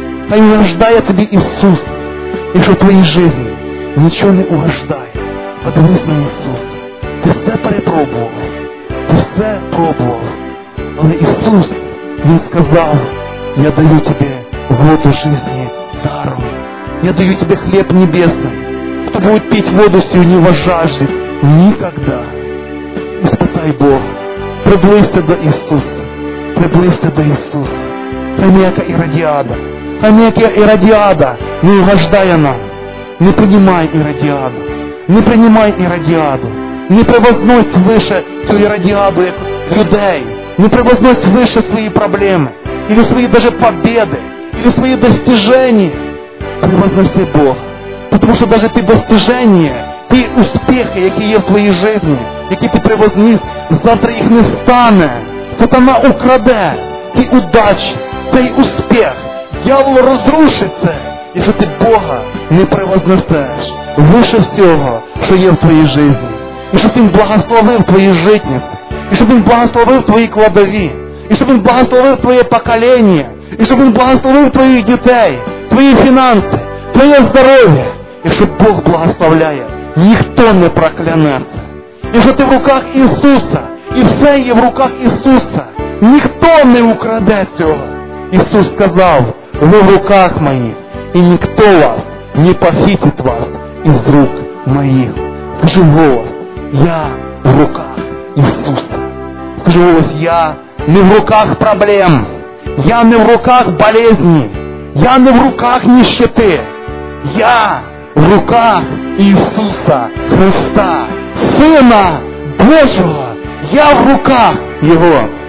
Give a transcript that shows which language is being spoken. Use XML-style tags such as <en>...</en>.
<uk>Хай угождає тобі Ісус. Якщо в твоїй житті нічого не угождає, подивись на Ісуса. Ти все перепробував. Ти все пробував. Але Ісус, Він сказав, я даю тебе воду жизни даром.</uk> <ru>Я даю тебе хлеб небесный. Кто будет пить воду сию, не вожажит никогда. Испытай Бога. Приблизься до Иисуса. Приблизься до Иисуса. Хамека Иродиада. Хамека Иродиада. Не угождая нам. Не принимай Иродиаду. Не принимай Иродиаду. Не превознось выше всю Иродиаду, как людей. Не превознось выше свои проблемы, или свои даже победы, или свои достижения. Превозноси Бога. Потому что даже ты достижения, ты успехи, которые есть в твоей жизни, которые ты превознес, завтра их не станет.</ru> <uk>Сатана украде ці удачи, цей успех.</uk> <ru>Дьявол разрушится, если ты Бога не превозносишь выше всего, что есть в твоей жизни. И что ты благословил твою житницу.</ru> <uk>І щоб Він благословив твої кладові. І щоб Він благословив твоє покоління. І щоб Він благословив твоїх дітей, твої фінанси, твоє здоров'я. І щоб Бог благословляє, ніхто не проклянеться. І що ти в руках Ісуса. І все є в руках Ісуса. Ніхто не украде цього. Ісус сказав, ви в руках мої. І ніхто вас не похитить вас із рук</uk> <ru>моих, скажи голос, я в руках Иисуса. Скажи голос, я не в руках проблем, я не в руках болезни, я не в руках нищеты, я в руках Иисуса Христа, Сына Божьего, я в руках Его.</ru>